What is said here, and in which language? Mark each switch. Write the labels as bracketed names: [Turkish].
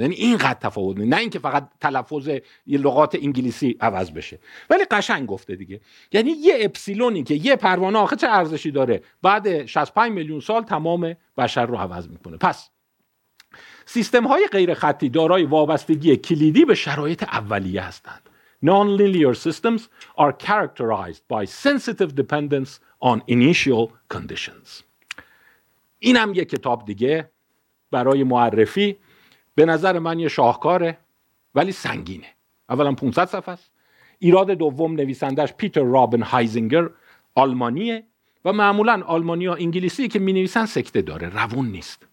[Persian] یعنی اینقدر تفاوت نه اینکه فقط تلفظ لغات انگلیسی عوض بشه، ولی قشنگ گفته دیگه. یعنی یه اپسیلونی که یه پروانه آخه چه ارزشی داره، بعد 65 میلیون سال تمام بشر رو عوض میکنه. پس سیستم های غیر خطی دارای وابستگی کلیدی به شرایط اولیه هستند. [English] Non-linear systems are characterized by sensitive dependence on initial conditions. [Persian] اینم یک کتاب دیگه برای معرفی. به نظر من یه شاهکاره ولی سنگینه. اولا 500 صفحه است. ایراد دوم نویسندش پیتر رابن هایزینگر آلمانیه، و معمولا آلمانی ها انگلیسی که می نویسن سکته داره، روون نیست.